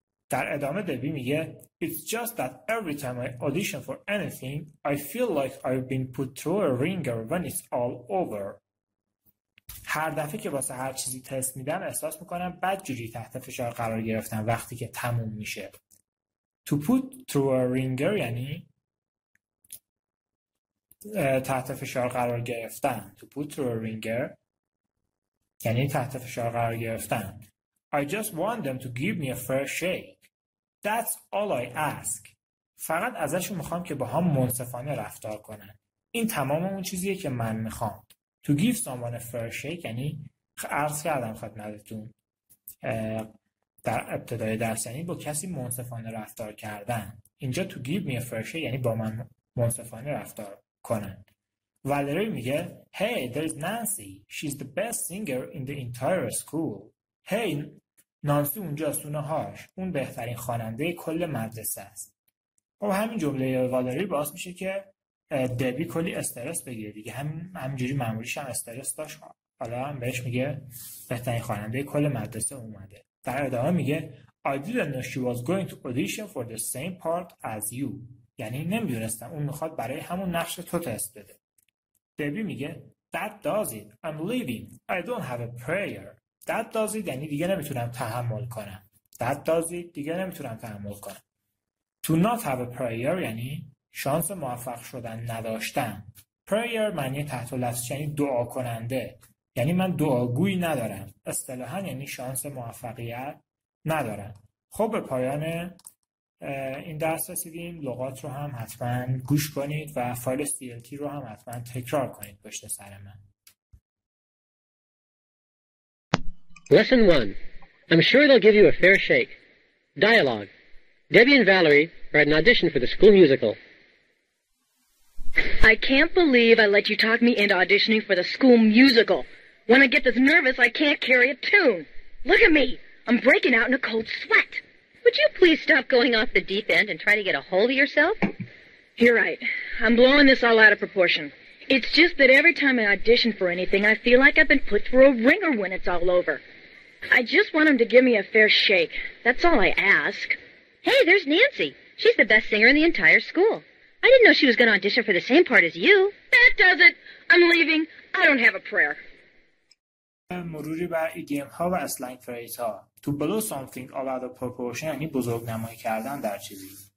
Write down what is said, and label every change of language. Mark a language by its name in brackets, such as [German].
[Persian] در ادامه دبی میگه [English] It's just that every time I audition for anything I feel like I've been put through a ringer when it's all over. [Persian] هر دفعه که واسه هر چیزی تست میدم احساس میکنم بد جوری تحت فشار قرار گرفتم وقتی که تموم میشه. [English] To put through a ringer [Persian] یعنی تحت فشار قرار گرفتن. [English] To put through a ringer [Persian] یعنی تحت فشار قرار گرفتن. [English] I just want them to give me a fair shake. That's all I ask. [Persian] فقط ازشون میخوام که با هم منصفانه رفتار کنن. این تمام اون چیزیه که من میخوام. [English] To give someone a fair shake [Persian] یعنی عرض کردم خدمتتون در ابتدای درس، یعنی با کسی منصفانه رفتار کردن. اینجا [English] to give me a fair shake [Persian] یعنی با من منصفانه رفتار کنن. والری میگه [English] Hey, there's Nancy. She's the best singer in the entire school. [Persian] Hey, نانسی اونجاست، اونه هاش. اون بهترین خواننده کل مدرسه است. خب همین جمله والری باعث میشه که دبی کلی استرس بگیره دیگه. همینجوری معمولیش هم استرس داشت. حالا هم بهش میگه بهترین خواننده کل مدرسه اومده. در ادامه میگه [English] I didn't know she was going to audition for the same part as you. یعنی نمیدونستم اون میخواد برای همون نقش تو تست بده. [Persian] دبی میگه [English] That does it. I'm leaving. I don't have a prayer. That does it [Persian] یعنی دیگه نمیتونم تحمل کنم. That does it دیگه نمیتونم تحمل کنم. [English] To not have a prayer [Persian] یعنی شانس موفق شدن نداشتن. Prayer معنی تحت لفظش یعنی دعا کننده. یعنی من دعاگوی ندارم. اصطلاحا یعنی شانس موفقیت ندارم. خب به پایان این درس رسیدیم. لغات رو هم حتما گوش کنید و فایل CLT رو هم حتما تکرار کنید پشت سر من. [English] Lesson 1. I'm sure they'll give you a fair shake. Dialogue. Debbie and Valerie are at an audition for the school musical. I can't believe I let you talk me into auditioning for the school musical. When I get this nervous, I can't carry a tune. Look at me. I'm breaking out in a cold sweat. Would you please stop going off the deep end and try to get a hold of yourself? You're right. I'm blowing this all out of proportion. It's just that every time I audition for anything, I feel like I've been put through a ringer when it's all over. I just want them to give me a fair shake. That's all I ask. Hey, there's Nancy. She's the best singer in the entire school. I didn't know she was going to audition for the same part as you. That does it. I'm leaving. I don't have a prayer. [Persian] مروری بر ایدیم ها و اسلنگ فریز ها. [English] To blow something all out of proportion [Persian] یعنی بزرگ نمایی کردن در چیزی.